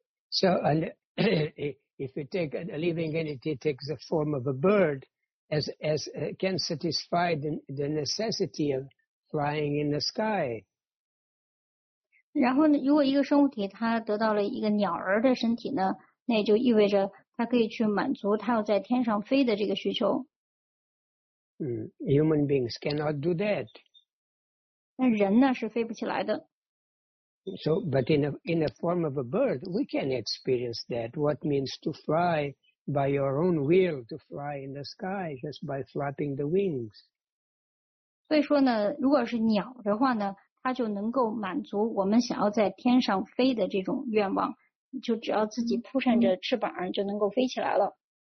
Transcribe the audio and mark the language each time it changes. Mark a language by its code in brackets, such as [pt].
[en] So and if you take a living entity takes the form of a bird, as can satisfy the necessity of flying in the sky. [zh] 然后呢，如果一个生物体它得到了一个鸟儿的身体呢，那也就意味着它可以去满足它要在天上飞的这个需求。 [en] Human beings cannot do that. [zh] 但人呢是飞不起来的。 [en] So, but in a form of a bird, we can experience that. What means to fly by your own will to fly in the sky just by flapping the wings? [zh] 所以说呢，如果是鸟的话呢，它就能够满足我们想要在天上飞的这种愿望，就只要自己扑扇着翅膀就能够飞起来了。